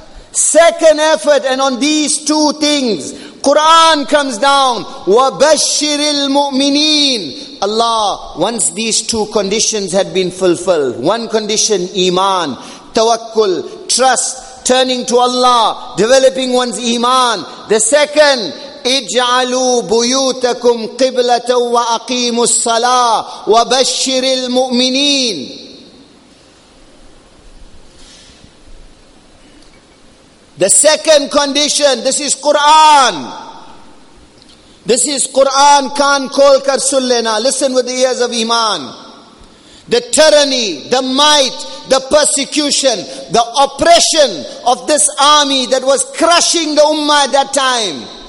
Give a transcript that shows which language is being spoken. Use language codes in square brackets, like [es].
[en] Second effort, and on these two things, Quran comes down. [ar] وَبَشِّرِ الْمُؤْمِنِينَ. [en] Allah, once these two conditions had been fulfilled, one condition, iman, tawakkul, trust, turning to Allah, developing one's iman. The second, [ar] اجعلوا بيوتكم قبلة وأقيموا الصلاة وبشر المؤمنين. [en] The second condition, this is Quran. This is Quran, Khan Kolkar Sullena. Listen with the ears of iman. The tyranny, the might, the persecution, the oppression of this army that was crushing the Ummah at that time.